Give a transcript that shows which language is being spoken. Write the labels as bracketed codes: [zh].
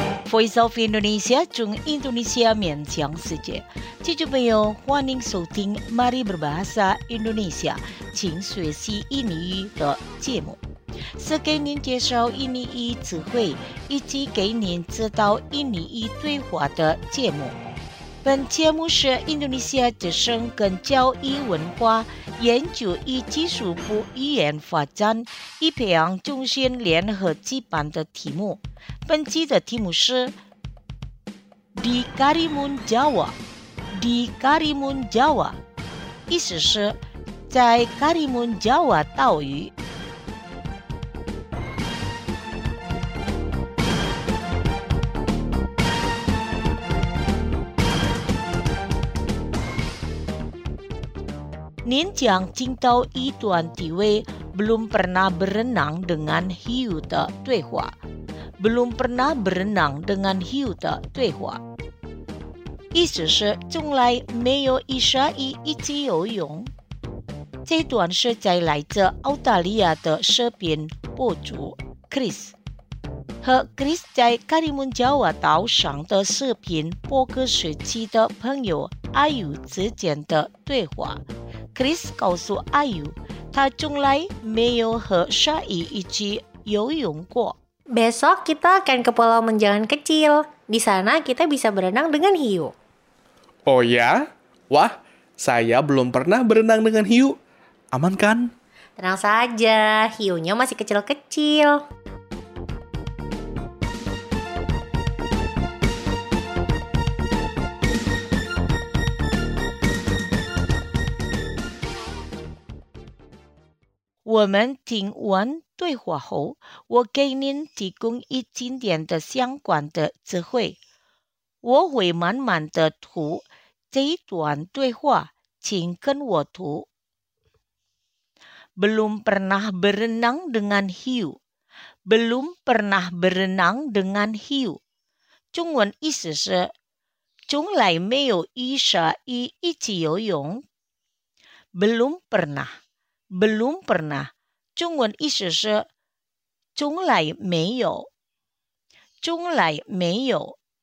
[zh] Voice of Indonesia 中印度尼西亚面向世界，听众朋友，欢迎收听 Mari Berbahasa Indonesia， 请学习印尼语的节目，是给您介绍印尼语词汇以及给您知道印尼语对话的节目。本节目是印度尼西亚之声跟教育文化研究与技术部语言发展与培养中心联合举办的题目。本期的题目是 Di Karimun Jawa， Di Karimun Jawa 意思是在 Karimun Jawa 岛屿。您将听到一段几位 [id] belum pernah berenang dengan hiu [zh] 的对话。 [id] belum pernah berenang dengan hiu [zh] 的对话，意思是从来没有一鲨鱼一起游泳。这段是在来自澳大利亚的视频博主 Chris 和 Chris 在卡里蒙加瓦岛上的视频播客时期的朋友阿尤之间的对话。 Chris 告诉阿尤，他从来没有和鲨鱼一起游泳过。 [id] Besok kita akan ke Pulau Menjangan Kecil. Di sana kita bisa berenang dengan hiu. Oh ya? Wah, saya belum pernah berenang dengan hiu. Aman kan? Tenang saja, hiunya masih kecil-kecil. [zh] Women Ting Wan对话后，我给您提供一经典的相关的词汇。我会慢慢的读这一段对话，请跟我读。 [id] Belum pernah berenang dengan hiu. Belum pernah berenang dengan hiu. [zh] 中文意思是，从来没有与鲨鱼一起游泳。 [id] Belum pernah. Belum pernah. [zh] 中文意思是从来没有，从来没有。